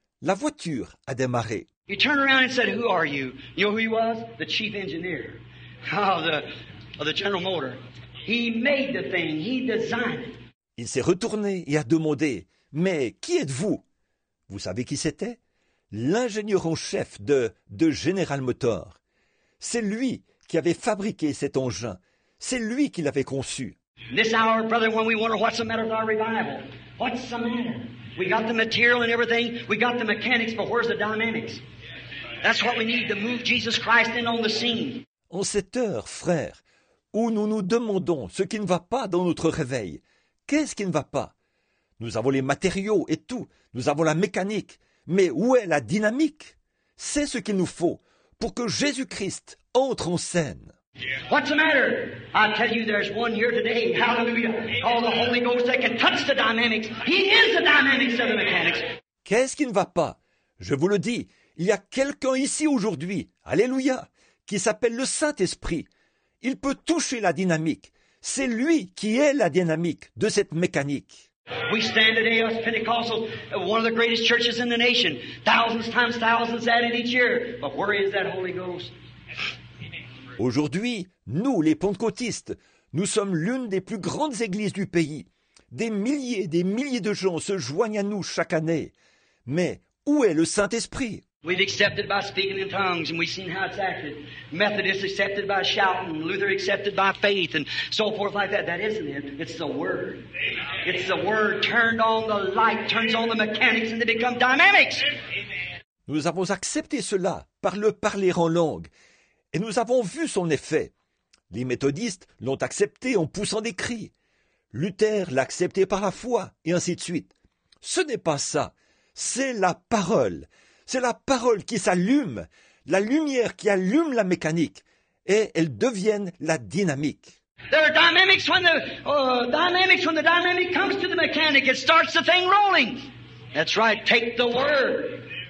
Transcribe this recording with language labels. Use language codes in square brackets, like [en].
[fr] La voiture a démarré. [en] He turned around and said, "Who are you?" You know who he was? The chief engineer of the General Motor. He made the thing. He designed it. [fr] Il s'est retourné et a demandé, "Mais qui êtes-vous?" Vous savez qui c'était? L'ingénieur en chef de General Motor. C'est lui qui avait fabriqué cet engin. C'est lui qui l'avait conçu. [en] This hour, brother, when we wonder what's the matter with our revival, what's the matter? We got the material and everything. We got the mechanics, but where's the dynamics? That's what we need to move Jesus Christ in on the scene. [fr] En cette heure, frère, où nous nous demandons ce qui ne va pas dans notre réveil, qu'est-ce qui ne va pas? Nous avons les matériaux et tout, nous avons la mécanique, mais où est la dynamique? C'est ce qu'il nous faut pour que Jésus-Christ entre en scène. [en] What's the matter? I tell you, there's one here today. Hallelujah! Call the Holy Ghost that can touch the dynamics. He is the dynamics of the mechanics. [fr] Qu'est-ce qui ne va pas? Je vous le dis, il y a quelqu'un ici aujourd'hui, alléluia, qui s'appelle le Saint-Esprit. Il peut toucher la dynamique. C'est lui qui est la dynamique de cette mécanique. [en] We stand today as Pentecostals, one of the greatest churches in the nation. Thousands times thousands added each year. But where is that Holy Ghost? [fr] Aujourd'hui, nous, les pentecôtistes, nous sommes l'une des plus grandes églises du pays. Des milliers de gens se joignent à nous chaque année. Mais où est le Saint-Esprit? [en] We've accepted by speaking in tongues, and we've seen how it's acted. Methodists accepted by shouting, Luther accepted by faith, and so forth like that. That isn't it. It's the Word. It's the Word turned on the light, turns on the mechanics, and they become dynamics. [fr] Nous avons accepté cela par le parler en langue. Et nous avons vu son effet. Les méthodistes l'ont accepté en poussant des cris. Luther l'a accepté par la foi, et ainsi de suite. Ce n'est pas ça. C'est la parole. C'est la parole qui s'allume, la lumière qui allume la mécanique, et elle devient la dynamique. [en] There are dynamics when the dynamic comes to the mechanic, it starts the thing rolling. That's right, take the word.